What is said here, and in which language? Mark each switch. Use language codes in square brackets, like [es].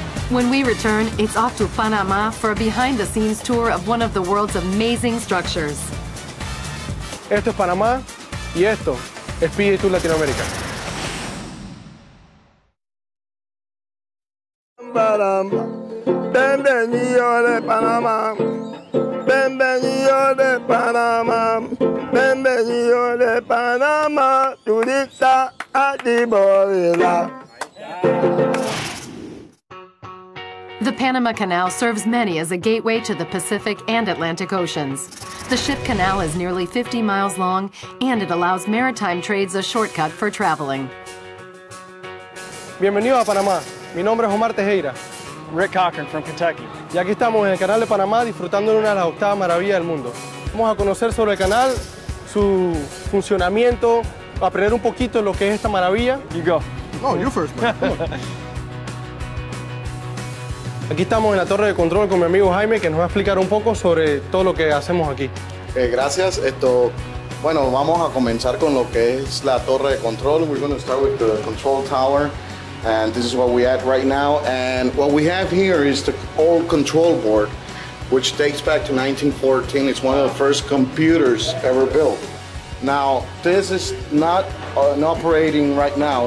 [en] When we return, it's off to Panama for a behind-the-scenes tour of one of the world's amazing structures. [es] Esto es Panamá y esto es PGA TOUR Latinoamérica. Bienvenido de Panamá, bienvenido de Panamá, turista a ti morirá. [en] The Panama Canal serves many as a gateway to the Pacific and Atlantic Oceans. The ship canal is nearly 50 miles long and it allows maritime trades a shortcut for traveling. [es] Bienvenido a Panamá, mi nombre es Omar Tejeira. [en] Rick Cochran from Kentucky. [es] Y aquí estamos en el canal de Panamá disfrutando de una de las octavas maravillas del mundo. Vamos a conocer sobre el canal, su funcionamiento, aprender un poquito de lo que es esta maravilla. [en] You go. Oh, you first, man. Come on. [es] Aquí estamos en la torre de control con mi amigo Jaime, que nos va a explicar un poco sobre todo lo que hacemos aquí. Gracias. Bueno, vamos a comenzar con lo que es la torre de control. [en] We're going to start with the control tower. And this is what we at right now. And what we have here is the old control board, which dates back to 1914. It's one of the first computers ever built. Now, this is not operating right now.